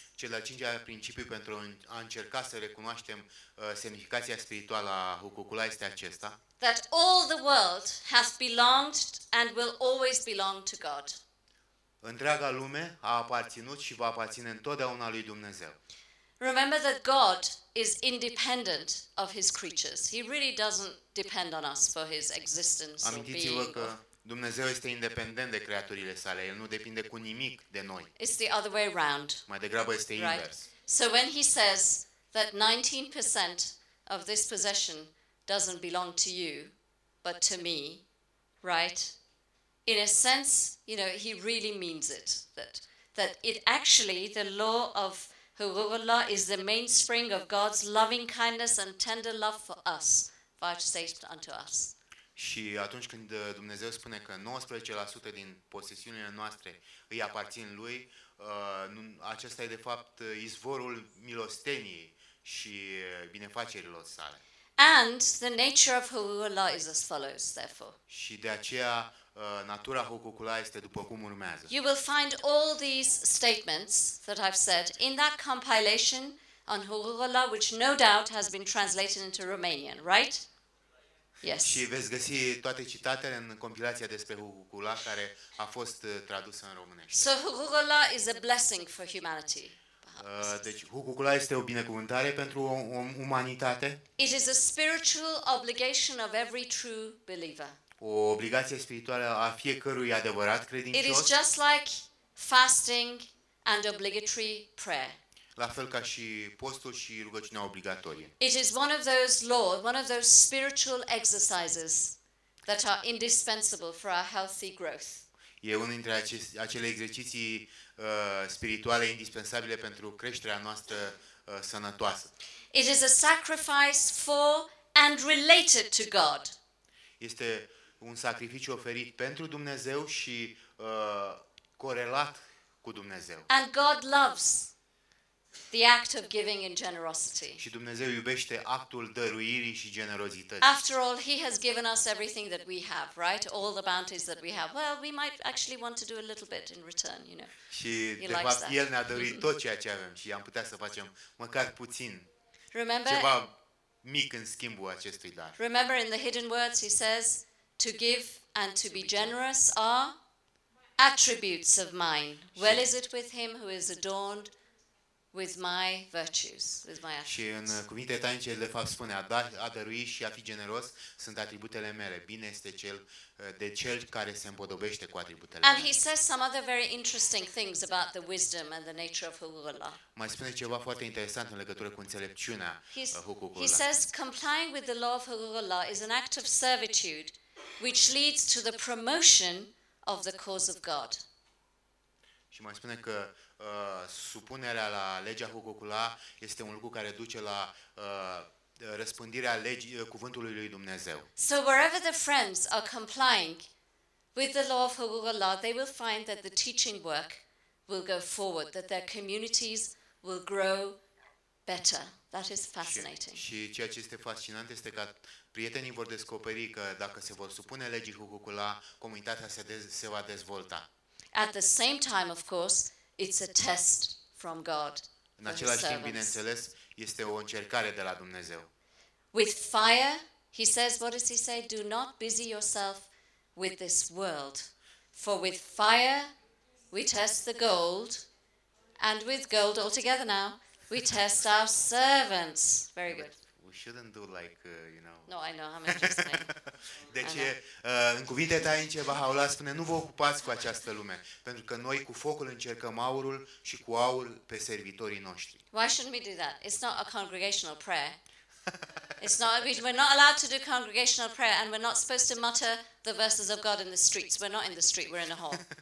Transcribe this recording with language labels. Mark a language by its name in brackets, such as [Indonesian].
[Romanian] Cel al cincilea principiu pentru a încerca să recunoaștem semnificația spirituală a Hukukula este acesta. [English] That all the world has belonged and will always belong to God. [Romanian] Întreaga lume a aparținut și va aparține întotdeauna lui Dumnezeu. [English] Remember that God is independent of his creatures. He really doesn't depend on us for his existence. [Romanian] Amintiți-vă că Dumnezeu este independent de creaturile sale. El nu depinde cu nimic de noi. [English] It's the other way around. [Romanian] Mai degrabă este invers. [English] Right? So when he says that 19% of this possession doesn't belong to you, but to me, right? In a sense, you know, he really means it. That it actually, the law of Hukukula is the mainspring of God's loving kindness and tender love for us, vouchsafed unto us. [Romanian] Și atunci când Dumnezeu spune că 19% din posesiunile noastre îi aparțin lui, acesta e de fapt izvorul milosteniei și binefacerilor sale. [English] And the nature of Hukukula is as follows, therefore. [Romanian] Și de aceea natura Hukukula este după cum urmează. [English] You will find all these statements that I've said in that compilation on Hukukula, which no doubt has been translated into Romanian, right? Yes. [Romanian] Și veți găsi toate citatele în compilația despre Hukukula care a fost tradusă în românește. [English] So Hukukula is a blessing for humanity. [Romanian] Deci Hukukula este o binecuvântare pentru umanitate. [English] It is a spiritual obligation of every true believer. [Romanian] O obligație spirituală a fiecărui adevărat credincios. [English] It is just like fasting and obligatory prayer. [Romanian] La fel ca și postul și rugăciunea obligatorie. [English] It is one of those laws, one of those spiritual exercises that are indispensable for our healthy growth. [Romanian] E unul dintre acele exerciții spirituale indispensabile pentru creșterea noastră sănătoasă. [English] It is a sacrifice for and related to God. [Romanian] Este un sacrificiu oferit pentru Dumnezeu și corelat cu Dumnezeu. [English] And God loves the act of giving in generosity. [Romanian] Și Dumnezeu iubește actul dăruirii și generozității. [English] After all, he has given us everything that we have, right? All the bounties that we have. Well, we might actually want to do a little bit in return, you know. [Romanian] Și de fapt el ne-a dăruit tot ceea ce avem și am putea să facem măcar puțin. [English] Remember? [Romanian] Ceva mic în schimbul acestui dar. [English] Remember in the hidden words he says to give and to be generous are attributes of mine. Well is it with him who is adorned with my virtues, with my attributes. [Romanian] Și în cuvinte tainice de fapt spune a dărui și a fi generos sunt atributele mele. Bine este cel de cel care se împodobește cu atributele mele. [English] And he says some other very interesting things about the wisdom and the nature of Hukukullah. [Romanian] Mai spune ceva foarte interesant în legătură cu înțelepciunea Hukukullah. [English] He says complying with the law of Hukukullah is an act of servitude which leads to the promotion of the cause of God. [Romanian] Și mai spune că supunerea la legea Hukukullah este un lucru care duce la răspândirea legii cuvântului lui Dumnezeu. [English] So wherever the friends are complying with the law of Hukukullah, they will find that the teaching work will go forward, that their communities will grow better. That is fascinating. [Romanian] Și ceea ce este fascinant este că prietenii vor descoperi că dacă se vor supune legii Hukukullah, comunitatea se va dezvolta. [English] At the same time, of course, it's a test from God. [Romanian] În același timp, bineînțeles, este o încercare de la Dumnezeu. [English] With fire, he says, what does he say? Do not busy yourself with this world. For with fire we test the gold, and with gold altogether now, we test our servants. Very good. We shouldn't do like, you know. No, I know, I'm interested. [Romanian] Deci, în cuvinte tainice, Baha'u'llah spune, nu vă ocupați cu această lume, pentru că noi cu focul încercăm aurul și cu aur pe servitorii noștri. [English] Why shouldn't we do that? It's not a congregational prayer. It's not, we're not allowed to do congregational prayer and we're not supposed to mutter the verses of God in the streets. We're not in the street, we're in a hall.